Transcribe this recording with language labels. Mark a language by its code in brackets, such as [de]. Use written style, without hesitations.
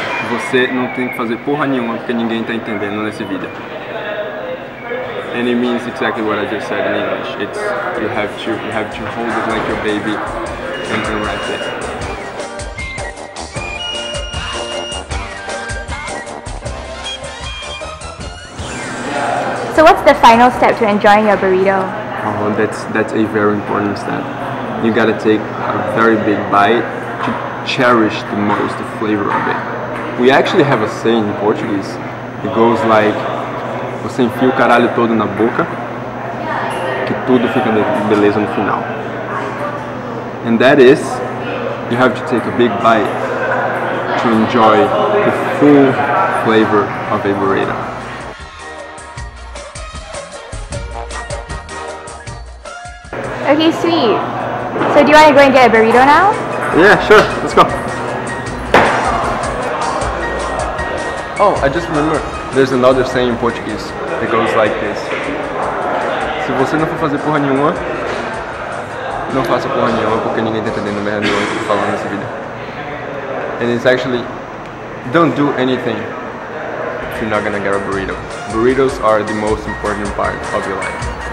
[pt] Você não tem que fazer porra nenhuma porque ninguém tá entendendo nesse vídeo. [en] And it means exactly what I just said in English. It's you have to hold it like your baby and unwrap it. So what's the final step to enjoying your burrito? Oh, that's a very important step. You gotta take a very big bite to cherish the most the flavor of it. We actually have a saying in Portuguese. It goes like, [pt] você enfia o caralho todo na boca, que tudo fica beleza no final. [en] And that is, you have to take a big bite to enjoy the full flavor of a burrito. Okay, sweet. So do you want to go and get a burrito now? Yeah, sure. Let's go. Oh, I just remember. There's another saying in Portuguese that goes like this. [pt] Se você não for fazer porra nenhuma, não faça porra nenhuma, porque ninguém tá entendendo merda nenhuma que eu tô falando nesse vídeo. [en] And it's actually, don't do anything if you're not gonna get a burrito. Burritos are the most important part of your life.